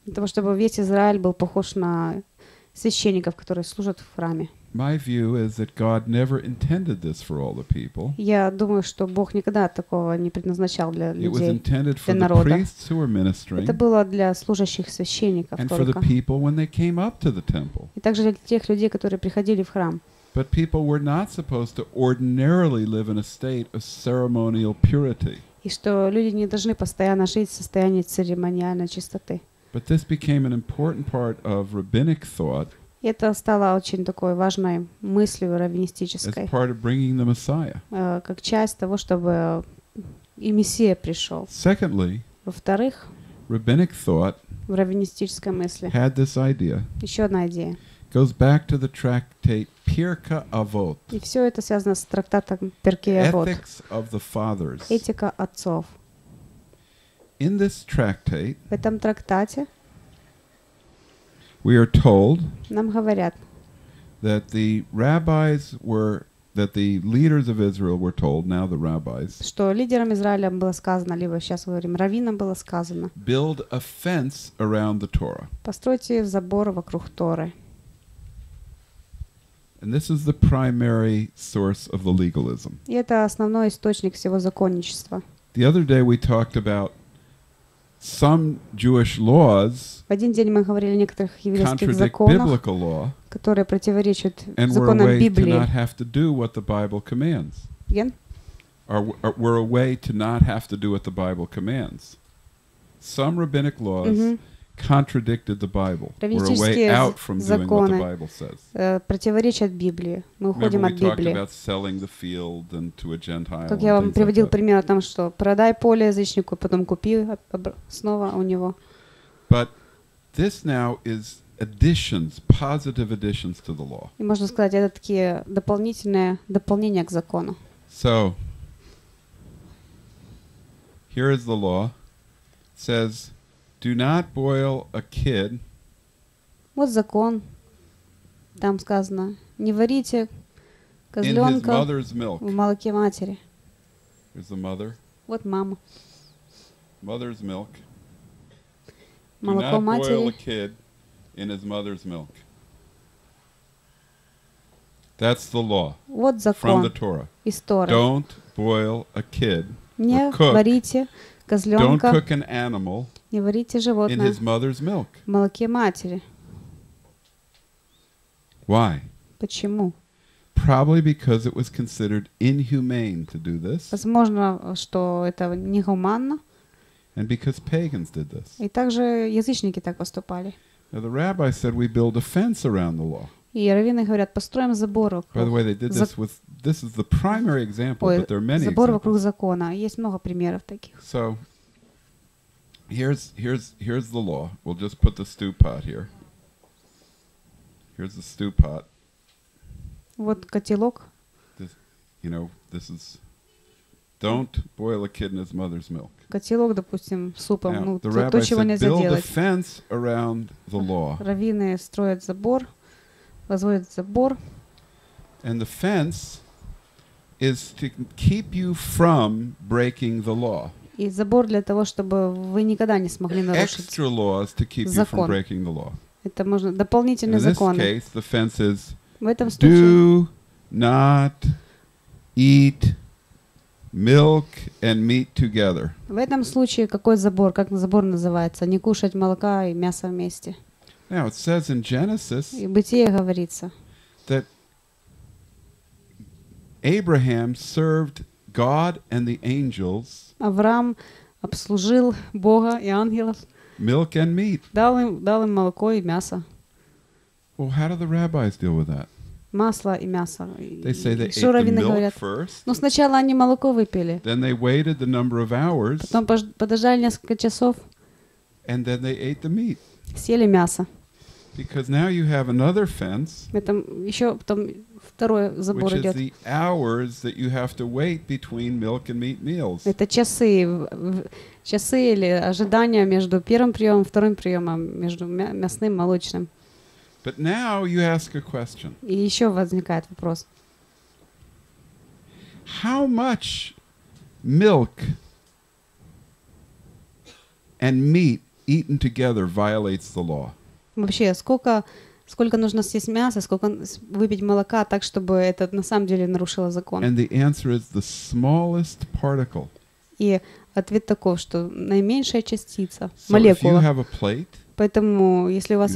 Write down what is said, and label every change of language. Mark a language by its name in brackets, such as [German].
[Russian] Для того, чтобы весь Израиль был похож на священников, которые служат в храме. [English] My view is that God never intended this for all the people. [Russian] Я думаю, что Бог никогда такого не предназначал для людей. [English] It was intended for the priests who were ministering. [Russian] Это было для служащих священников только. [English] And for the people when they came up to the temple. [Russian] И также для тех людей, которые приходили в храм. [English] But people were not supposed to ordinarily live in a state of ceremonial purity. [Russian] И что люди не должны постоянно жить в состоянии церемониальной чистоты. [English] But this became an important part of rabbinic thought. [Russian] И это стало очень такой важной мыслью раввинистической, как часть того, чтобы и Мессия пришел. [English] Secondly, [Russian] во-вторых, [English] rabbinic thought [Russian] в раввинистической мысли [English] had this idea, [Russian] еще одна идея. [English] Goes back to the tractate Pirka Avot. [Russian] И все это связано с трактатом Pirkei Avot. [English] Ethics of the Fathers. [Russian] Этика отцов. [English] In this tractate, [Russian] в этом трактате [English] we are told [Russian] нам говорят, [English] that the rabbis were, that the leaders of Israel were told, now the rabbis, [Russian] что лидерам Израиля было сказано, либо сейчас говорим, раввинам было сказано, [English] build a fence around the Torah. [Russian] Постройте забор вокруг Торы. [English] And this is the primary source of the legalism. [Russian] И это основной источник всего законничества. [English] The other day we talked about some Jewish laws. [Russian] В один день мы говорили о некоторых еврейских законах, которые противоречат законам Библии. [English] Not have to do what the Bible commands. Again? Were a way to not have to do what the Bible commands. Some rabbinic laws contradicted the Bible. Were a way out from doing what the Bible says. [Russian] Противоречат Библии. Мы уходим от Библии. [English] We talked about selling the field and to a Gentile. [Russian] Как я вам приводил пример о том, что продай поле язычнику, потом купи снова у него. [English] But this now is additions, positive additions to the law. [Russian] И можно сказать, это такие дополнения к закону. [English] So here is the law. It says, do not boil a kid. [Russian] Вот закон. Там сказано, не варите козленка в молоке матери. [English] Here's the mother. [Russian] Вот мама. [English] Mother's milk. [Russian] Молоко матери. [English] Do not boil a kid in his mother's milk. That's the law. [Russian] Вот закон. [English] From the Torah. [Russian] Из Торы. [English] Don't boil a kid. [Russian] Не варите козленка. [English] Don't cook an animal. [Russian] Не варите животное [English] in his mother's milk. [Russian] В молоке матери. [English] Why? [Russian] Почему? [English] Probably because it was considered inhumane to do this. [Russian] Возможно, что это негуманно. [English] And because pagans did this. [Russian] И также язычники так поступали. [English] Now the rabbi said we build a fence around the law. [Russian] И раввины говорят, построим забор вокруг. [English] By the way, they did this with, this is the primary example, but there are many examples. [Russian] Забор вокруг закона. Есть много примеров таких. [English] So, here's the law. We'll just put the stew pot here. Here's the stew pot. [Russian] Вот котелок. [English] This, you know, this is, don't boil a kid in his mother's milk. [Russian] Котелок, допустим, супом. [English] Now, [Russian] ну, то чего нельзя [English] build [Russian] делать. [English] Build a fence around the law. [Russian] Раввины строят забор, возводят забор. [English] And the fence is to keep you from breaking the law. [Russian] И забор для того, чтобы вы никогда не смогли нарушить [English] extra laws to keep [Russian] закон. [English] You from breaking the law. [Russian] Это можно дополнительные законы. [English] In this case, the fence is [Russian] в этом случае [English] do not eat Milk and meat together. [Russian] В этом случае какой забор? Как забор называется? Не кушать молока и мясо вместе. [English] Now it says in Genesis. [Russian] И Бытие говорится. [English] That Abraham served God and the angels. [Russian] Авраам обслужил Бога и ангелов. [English] Milk and meat. [Russian] Дал им молоко и мясо. [English] Well, how do the rabbis deal with that? [Russian] Масло и мясо. [English] They say they ate the milk first. [Russian] Но сначала они молоко выпили. [English] Then they waited the number of hours. [Russian] Потом подождали несколько часов. [English] And then they ate the meat. [Russian] Съели мясо. [English] Because now you have another fence. [Russian] Это еще потом второй забор идет. [English] Which is the hours that you have to wait between milk and meat meals. [Russian] Это часы или ожидания между первым приемом, вторым приемом между мясным, молочным. [English] But now you ask a question. [Russian] И еще возникает вопрос. [English] How much milk and meat eaten together violates the law? [Russian] Вообще, сколько нужно съесть мяса, сколько выпить молока, так чтобы это на самом деле нарушило закон? [English] And the answer is the smallest particle. [Russian] И ответ таков, что наименьшая частица, молекула. [English] So if you have a plate, [Russian] поэтому, если у вас